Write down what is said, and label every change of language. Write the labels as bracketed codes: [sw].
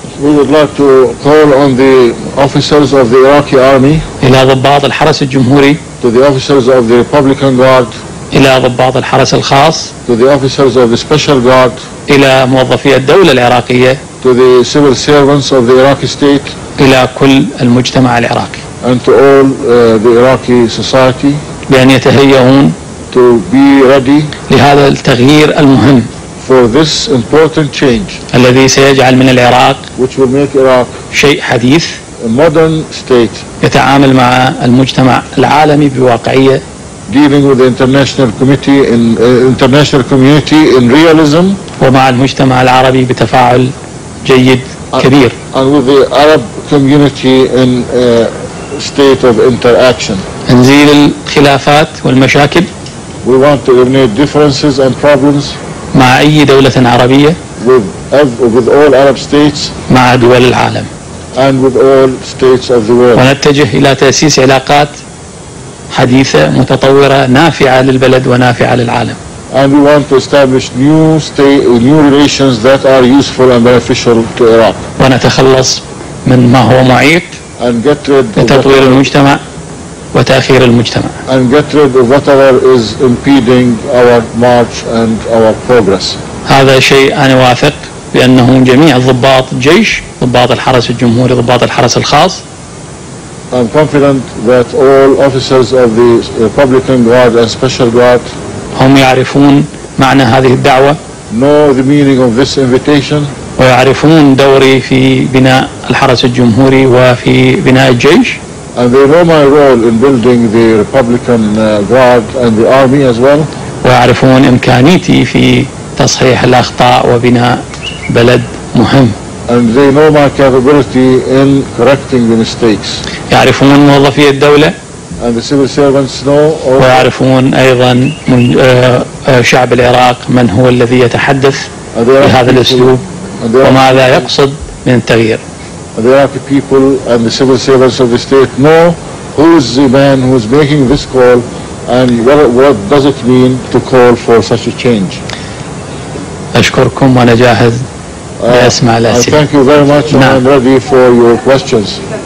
[en] We would like to call on the officers of the Iraqi army. [ar] إلى ضباط الحرس الجمهوري. [en] To the officers of the Republican Guard. [ar] إلى ضباط الحرس الخاص. [en] To the officers of the Special Guard. [ar] إلى موظفي الدولة العراقية. [en] To the civil servants of the Iraqi state. [ar] إلى كل المجتمع العراقي. [en] And to all the Iraqi society. [ar] بأن يتهيئون. [en] To be ready. [ar] لهذا التغيير المهم. [en] For this important change, [ar] الذي سيجعل من العراق [en] which will make Iraq [ar] شيء حديث, [en] a modern state, [ar] يتعامل مع المجتمع العالمي بواقعية, [en] dealing with the international community in international community in realism, [ar] ومع المجتمع العربي بتفاعل جيد كبير, [en] and with the Arab community in a state of interaction. [ar] نزيل الخلافات والمشاكل. [en] We want to eliminate differences and problems. [ar] مع أي دولة عربية. [en] With all Arab states. [ar] مع دول العالم. [en] And with all states of the world. [ar] ونتجه إلى تأسيس علاقات حديثة متطورة نافعة للبلد ونافعة للعالم. [en] And we want to establish new relations that are useful and beneficial to Iraq. [ar] ونتخلص من ما هو معيق. [en] And get rid of [ar] لتطوير المجتمع وتأخير المجتمع. [en] And get rid of whatever is impeding our march and our progress. [ar] هذا شيء أنا واثق بأنهم جميع ضباط الجيش, ضباط الحرس الجمهوري, ضباط الحرس الخاص. [en] I'm confident that all officers of the Republican Guard and Special Guard [ar] هم يعرفون معنى هذه الدعوة. [en] Know the meaning of this invitation. [ar] ويعرفون دوري في بناء الحرس الجمهوري وفي بناء الجيش. [en] And they know my role in building the Republican Guard and the army as well. [ar] ويعرفون إمكانيتي في تصحيح الأخطاء وبناء بلد مهم. [en] And they know my capability in correcting the mistakes. [ar] يعرفون موظفي الدولة. [en] And the civil servants know. [ar] ويعرفون أيضا من شعب العراق من هو الذي يتحدث بهذا الأسلوب وماذا يقصد من التغيير. [en] The Iraqi people and the civil servants of the state know who is the man who is making this call and what does it mean to call for such a change. [ar] أشكركم وأنا جاهز لأسمع الأسئلة. [en] I thank you very much and I'm ready for your questions.